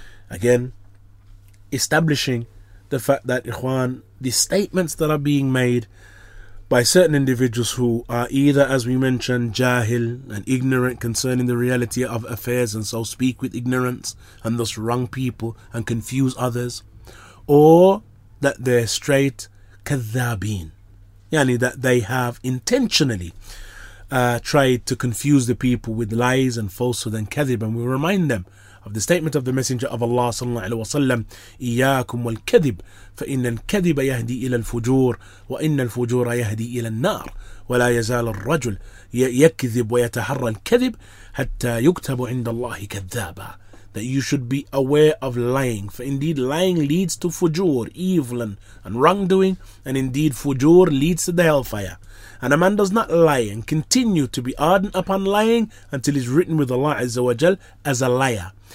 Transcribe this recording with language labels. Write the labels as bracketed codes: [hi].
[en] Again, establishing the fact that Ikhwan, the statements that are being made by certain individuals who are either, as we mentioned, jahil and ignorant concerning the reality of affairs, and so speak with ignorance and thus wrong people and confuse others, or that they're straight kadhabin, yani that they have intentionally tried to confuse the people with lies and falsehood and kadhib. And we remind them of the statement of the Messenger of Allah sallallahu alaihi wasallam, [ar] إِيَّاكُمْ وَالْكَذِبْ فَإِنَّ الْكَذِبَ يَهْدِي إِلَى الْفُجُورِ وَإِنَّ الْفُجُورَ يَهْدِي إِلَى النَّارِ وَلَا يَزَالُ الرَّجُلُ يَكْذِبْ وَيَتَحَرَّى الْكَذِبْ حَتَّى يُكْتَبُ عِنْدَ اللَّهِ كَذَّابًا. [en] That you should be aware of lying, for indeed lying leads to fujur, evil and wrongdoing, and indeed fujur leads to the hellfire. And a man does not lie and continue to be ardent upon lying until he's written with Allah Azza wa Jal as a liar.